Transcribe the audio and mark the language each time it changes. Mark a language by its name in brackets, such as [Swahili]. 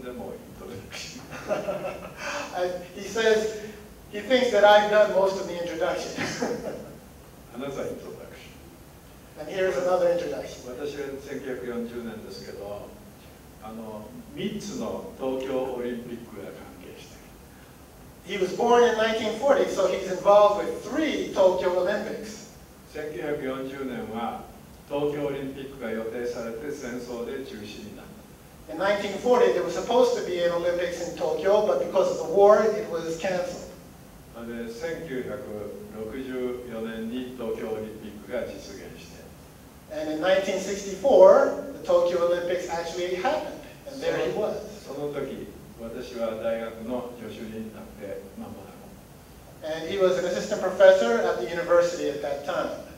[Japanese] で、さっきもイントロダクションするんだけども、自分でもイントロダクション。 [English] He says he thinks that I've done most of the introduction. Another introduction. And here's another introduction. [Japanese] 私は 1940年ですけど、 3つの東京オリンピックが関係している。 [English] He was born in 1940, so he's involved with three Tokyo Olympics. [Japanese] 1940年は東京オリンピックが予定されて戦争で中止になった。 [English] In 1940, there was supposed to be an Olympics in Tokyo, but because of the war, it was canceled. [Japanese] で、 1964年に東京オリンピックが実現して、 [English] And in 1964, the Tokyo Olympics actually happened, and there he was. [Japanese] その時、私は大学の助手になって間もなく。 [English] And he was an assistant professor at the university at that time.